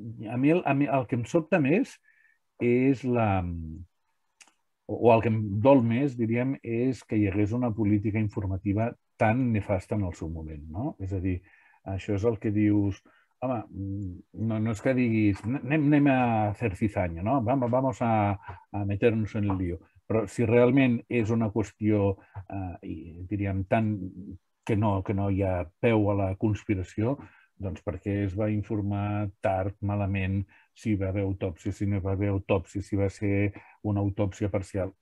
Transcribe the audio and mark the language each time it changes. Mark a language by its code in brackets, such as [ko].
[ca] A mi el que em sobta més és o el que em dol més, diríem, és que hi hagués una política informativa tan nefasta en el seu moment, no? És a dir, això és el que dius, home, no és que diguis, anem a fer cizanya, no? [es] Vamos a meternos en el lío. [ca] Però si realment és una qüestió, diríem, tant que no hi ha peu a la conspiració, doncs per què es va informar tard, malament, si va haver autòpsia, si no va haver autòpsia, si va ser una autòpsia parcial?